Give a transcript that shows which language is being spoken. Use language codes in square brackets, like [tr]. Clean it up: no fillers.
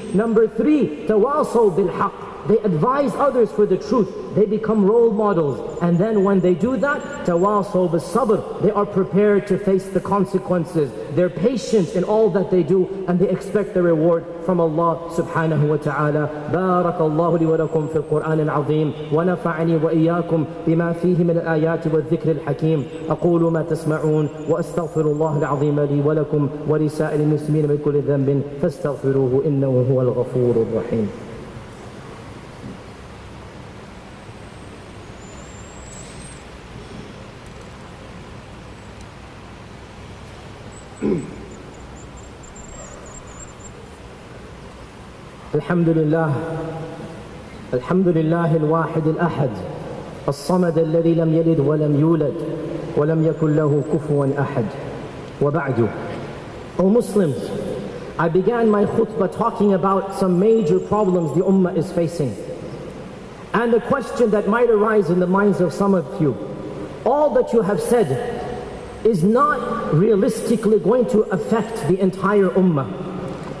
[en] Number three, [ar] تَوَاصُوا بِالْحَقِّ. [en] They advise others for the truth. They become role models. And then when they do that, [ar] تَوَاصُوا بِالصَّبْرِ. [en] They are prepared to face the consequences. They're patient in all that they do, and they expect the reward from Allah subhanahu wa ta'ala. [ar] بارك الله لي ولكم في القرآن العظيم ونفعني وإياكم بما فيه من الآيات والذكر الحكيم. أقول ما تسمعون وأستغفر الله العظيم لي ولكم ولسائر المسلمين من كل ذنب فاستغفروه إنه هو الغفور الرحيم. الحمد لله الحمد لله الواحد الأحد الصمد الذي لم يلد ولم يولد ولم يكن له كفوا أحد. وبعد, [en] O Muslims, I began my khutbah talking about some major problems the Ummah is facing. And the question that might arise in the minds of some of you, all that you have said is not realistically going to affect the entire Ummah.